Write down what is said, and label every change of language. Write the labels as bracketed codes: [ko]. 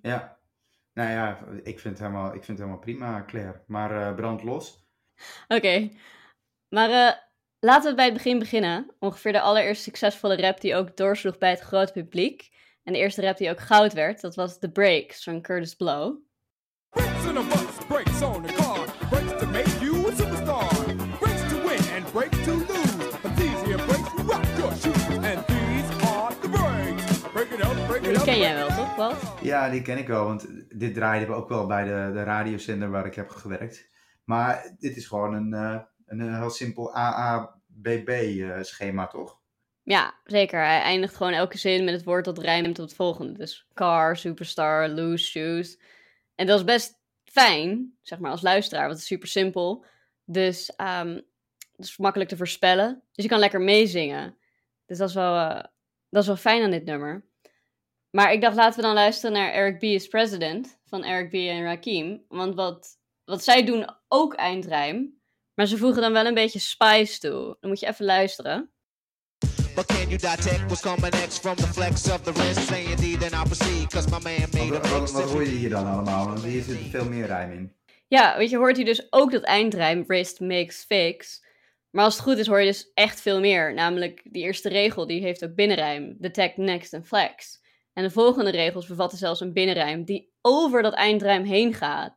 [nl] Ja. Nou ja, ik vind het helemaal prima, Claire. Maar brand los. Oké. Maar... laten we bij het begin beginnen. Ongeveer de allereerste succesvolle rap die ook doorsloeg bij het grote publiek. En de eerste rap die ook goud werd, dat was The Breaks van Curtis Blow. [en] Breaks on the car, breaks to make you a superstar. Breaks to win and breaks to lose. But these here breaks rock your shoes. And these are the breaks. Break it up, break it up. [nl] die ken jij wel, toch, Walt? Ja, die ken ik wel, want dit draaide we ook wel bij de radiozender waar ik heb gewerkt. Maar dit is gewoon een heel simpel AABB-schema, toch? Ja, zeker. Hij eindigt gewoon elke zin met het woord dat rijmt op het volgende. Dus car, superstar, loose shoes. En dat is best fijn, zeg maar, als luisteraar, want het is super simpel. Dus het is makkelijk te voorspellen. Dus je kan lekker meezingen. Dus dat is wel fijn aan dit nummer. Maar ik dacht, laten we dan luisteren naar Eric B. is President van Eric B. en Rakim. Want wat zij doen ook eindrijm, maar ze voegen dan wel een beetje spice toe. Dan moet je even luisteren. [en] But can you detect what's coming next from the flex of the wrist? Say indeed, then I'll proceed, cause my man made a mix. [nl] Wat hoor je hier dan allemaal? Want hier zit veel meer rijm in. Ja, weet je, hoort hier dus ook dat eindrijm, wrist makes fix. Maar als het goed is, hoor je dus echt veel meer. Namelijk, die eerste regel, die heeft ook binnenrijm. Detect, next en flex. En de volgende regels bevatten zelfs een binnenrijm die over dat eindrijm heen gaat.